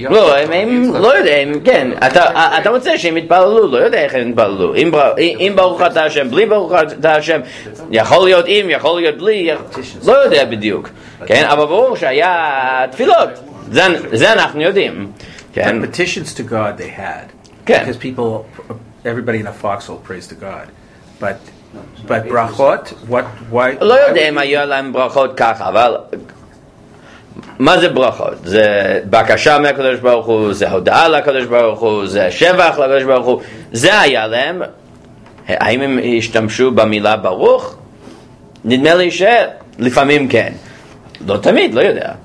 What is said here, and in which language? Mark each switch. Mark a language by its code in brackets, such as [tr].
[he] לא, הם לא יודעים, כן, אתה מוצא שהם התפללו, לא יודע איך הם התפללו. אם ברוך אתה השם, בלי ברוך אתה השם, יכול להיות אם, יכול להיות בלי, לא יודע בדיוק. כן, אבל ברור שהיה תפילות. זה אנחנו יודעים. [en] And petitions to God they had. Because people, everybody in a foxhole prays to God. But brachot, why? [he] לא יודע אם היו להם ברכות ככה, אבל מה זה ברכות? זה בקשה מהקדוש ברוך הוא, זה הודעה לקדוש ברוך הוא, זה שבח לקדוש ברוך הוא. זה היה להם. האם הם השתמשו במילה ברוך? נדמה לי שלפעמים כן. לא תמיד, לא יודע.